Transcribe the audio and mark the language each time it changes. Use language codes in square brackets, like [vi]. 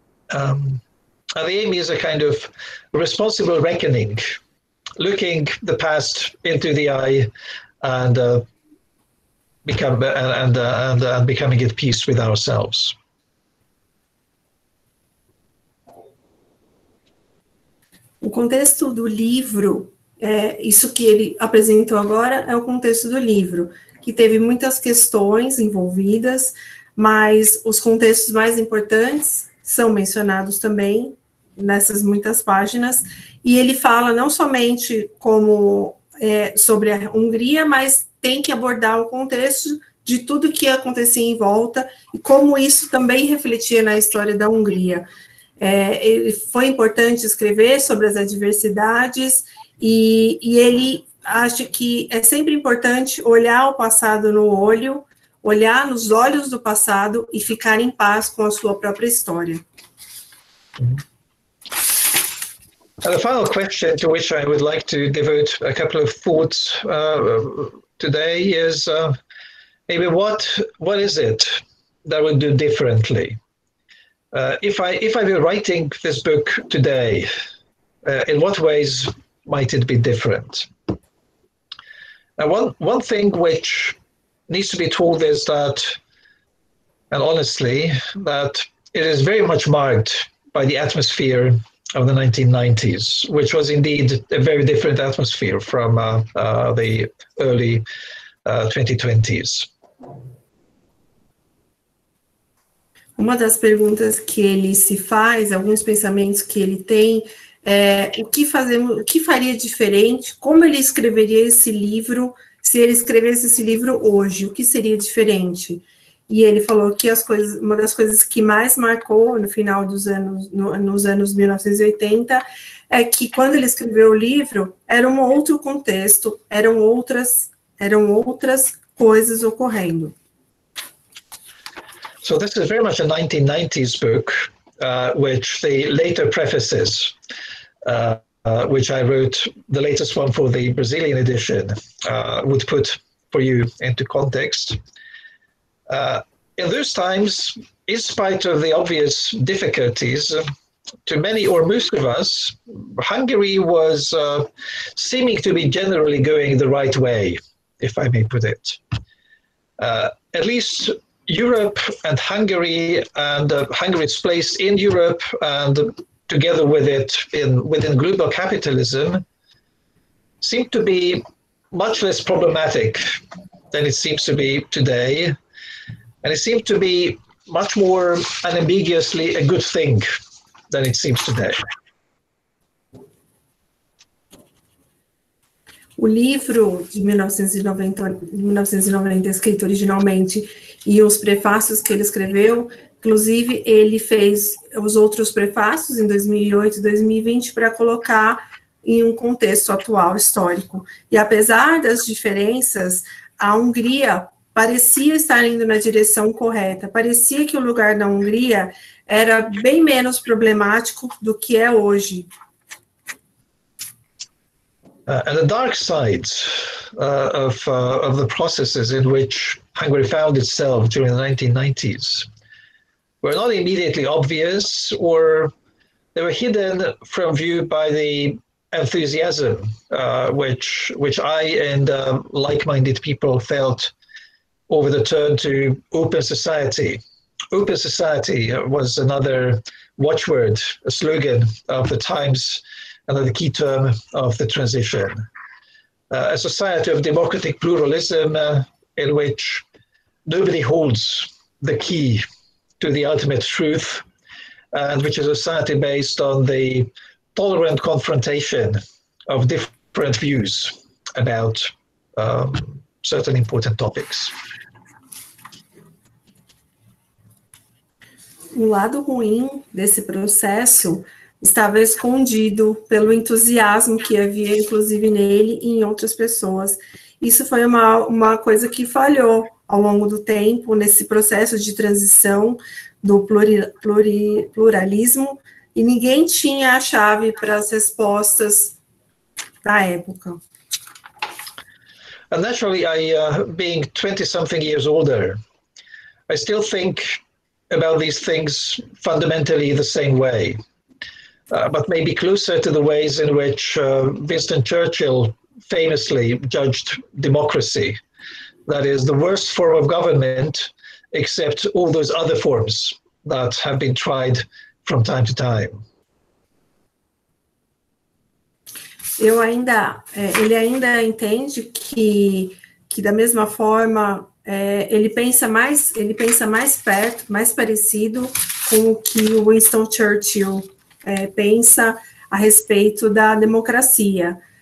[en] And the aim is a kind of responsible reckoning, looking the past into the eye and becoming at peace with ourselves. [pt] O contexto do livro, isso que ele apresentou agora, é o contexto do livro, que teve muitas questões envolvidas, mas os contextos mais importantes são mencionados também nessas muitas páginas, e ele fala não somente como sobre a Hungria, mas tem que abordar o contexto de tudo que acontecia em volta e como isso também refletia na história da Hungria. Ele foi importante escrever sobre as adversidades e ele acha que é sempre importante olhar o passado no olho, olhar nos olhos do passado e ficar em paz com a sua própria história. [en] And the final question to which I would like to devote a couple of thoughts today is maybe what is it that we do differently? If I were writing this book today, in what ways might it be different? One thing which needs to be told is that, and honestly, that it is very much marked by the atmosphere of the 1990s, which was indeed a very different atmosphere from the early 2020s. [pt] Uma das perguntas que ele se faz, alguns pensamentos que ele tem, o que faria diferente, como ele escreveria esse livro, se ele escrevesse esse livro hoje, o que seria diferente? E ele falou que uma das coisas que mais marcou no final dos anos, nos anos 1980, é que quando ele escreveu o livro, era um outro contexto, eram outras eram outras coisas ocorrendo. [en] So this is very much a 1990s book, which the later prefaces, which I wrote, the latest one for the Brazilian edition, would put for you into context. In those times, in spite of the obvious difficulties, to many or most of us, Hungary was seeming to be generally going the right way, if I may put it. At least Europe and Hungary and Hungary's place in Europe and together with it in within global capitalism seemed to be much less problematic than it seems to be today. And it seemed to be much more unambiguously a good thing than it seems today. [pt] O livro de 1990 escrito originalmente e os prefácios que ele escreveu, inclusive ele fez os outros prefácios em 2008 e 2020 para colocar em um contexto atual histórico. E apesar das diferenças, a Hungria parecia estar indo na direção correta, parecia que o lugar da Hungria era bem menos problemático do que é hoje. [en] And the dark side of the processes in which Hungary found itself during the 1990s were not immediately obvious, or they were hidden from view by the enthusiasm which I and like-minded people felt over the turn to open society. Open society was another watchword, a slogan of the times, another key term of the transition. A society of democratic pluralism in which nobody holds the key to the ultimate truth, and which is a society based on the tolerant confrontation of different views about certain important topics. [pt] O lado ruim desse processo estava escondido pelo entusiasmo que havia, inclusive, nele e em outras pessoas. Isso foi uma coisa que falhou ao longo do tempo, nesse processo de transição do pluralismo, e ninguém tinha a chave para as respostas da época. [en] And naturally, being 20-something years older, I still think about these things fundamentally the same way, but maybe closer to the ways in which Winston Churchill famously judged democracy, that is, the worst form of government except all those other forms that have been tried from time to time. [pt] Ele ainda entende que da mesma forma ele pensa mais perto, mais parecido com o que o Winston Churchill pensa a respeito da democracia.